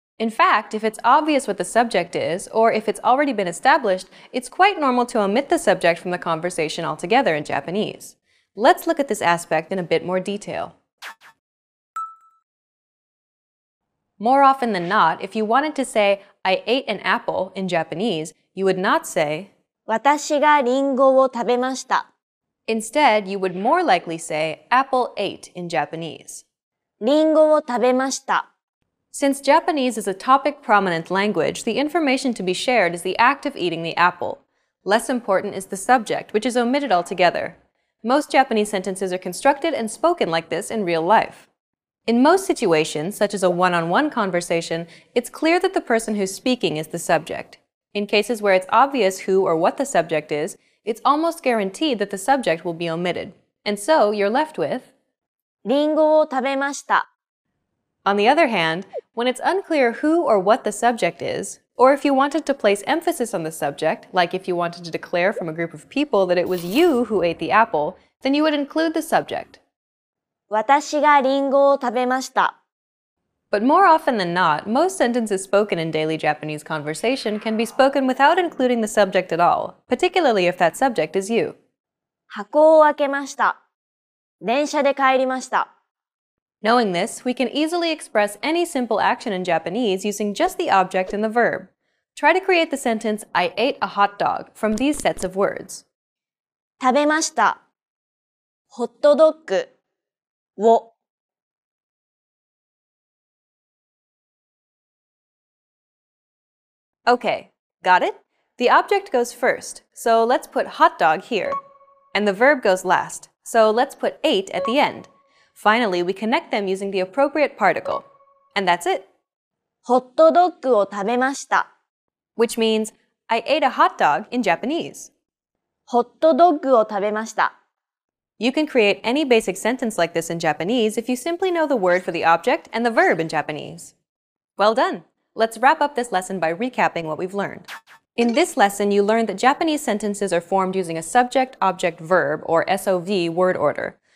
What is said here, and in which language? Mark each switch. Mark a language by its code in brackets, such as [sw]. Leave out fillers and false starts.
[en] In fact, if it's obvious what the subject is, or if it's already been established, it's quite normal to omit the subject from the conversation altogether in Japanese. Let's look at this aspect in a bit more detail. More often than not, if you wanted to say, I ate an apple in Japanese, you would not say, [ja] 私がリンゴを食べました。 [en] Instead, you would more likely say, apple ate in Japanese. [ja] リンゴを食べました。 [en] Since Japanese is a topic-prominent language, the information to be shared is the act of eating the apple. Less important is the subject, which is omitted altogether. Most Japanese sentences are constructed and spoken like this in real life. In most situations, such as a one-on-one conversation, it's clear that the person who's speaking is the subject. In cases where it's obvious who or what the subject is, it's almost guaranteed that the subject will be omitted. And so, you're left with... [ja] リンゴを食べました. [en] On the other hand, when it's unclear who or what the subject is, or if you wanted to place emphasis on the subject, like if you wanted to declare from a group of people that it was you who ate the apple, then you would include the subject. [ja] 私がリンゴを食べました. [en] But more often than not, most sentences spoken in daily Japanese conversation can be spoken without including the subject at all, particularly if that subject is you. [ja] 箱を開けました.電車で帰りました. [en] Knowing this, we can easily express any simple action in Japanese using just the object and the verb. Try to create the sentence, I ate a hot dog, from these sets of words. [ja] 食べました.ホットドッグ. [en] Okay, got it? The object goes first, so let's put hot dog here. And the verb goes last, so let's put ate at the end. Finally, we connect them using the appropriate particle. And that's it. [ja] ホットドッグを食べました. [en] Which means, I ate a hot dog in Japanese. [ja] ホットドッグを食べました. [en] You can create any basic sentence like this in Japanese if you simply know the word for the object and the verb in Japanese. Well done! Let's wrap up this lesson by recapping what we've learned. In this lesson, you learned that Japanese sentences are formed using a subject-object-verb, or SOV, word order.